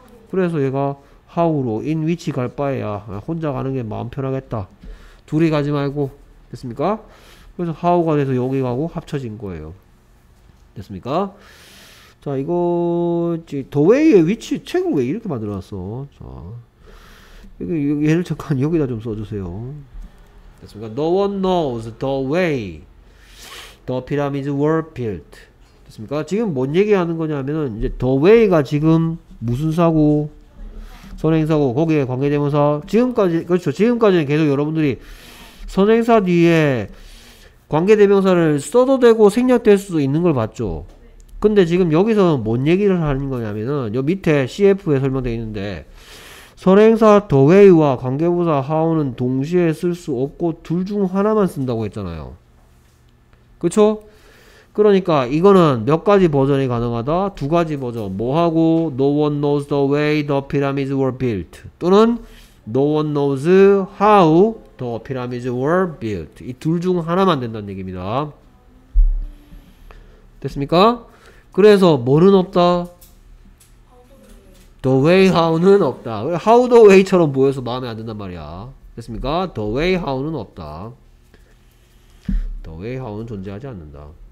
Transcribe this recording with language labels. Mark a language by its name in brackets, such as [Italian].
[Korean] 그래서 얘가 how로 in 위치 갈 바에야 혼자 가는 게 마음 편하겠다. 둘이 가지 말고. 됐습니까? 그래서 how가 돼서 여기 가고 합쳐진 거예요. 됐습니까? 자, 이거 the way의 위치 책을 왜 이렇게 만들어놨어? 자, 얘를 잠깐 여기다 좀 써주세요. 됐습니까? [English] No one knows the way the pyramids were built. [Korean] 됐습니까? 지금 뭔 얘기하는 거냐면은 이제 the way가 지금 무슨 사고? 선행사고, 거기에 관계대명사. 지금까지, 그렇죠. 지금까지는 계속 여러분들이 선행사 뒤에 관계대명사를 써도 되고 생략될 수도 있는 걸 봤죠. 근데 지금 여기서는 뭔 얘기를 하는 거냐면은 요 밑에 CF에 설명되어 있는데, 선행사 the way와 관계부사 how는 동시에 쓸 수 없고 둘 중 하나만 쓴다고 했잖아요. 그쵸? 그러니까 이거는 몇 가지 버전이 가능하다? 두 가지 버전. 뭐하고 [English] no one knows the way the pyramids were built [Korean] 또는 [English] no one knows how the pyramids were built. [Korean] 이 둘 중 하나만 된다는 얘기입니다. 됐습니까? 그래서 뭐는 없다? The way how는 없다. How the way처럼 보여서 마음에 안 든단 말이야. 됐습니까? The way how는 없다. The way how는 존재하지 않는다.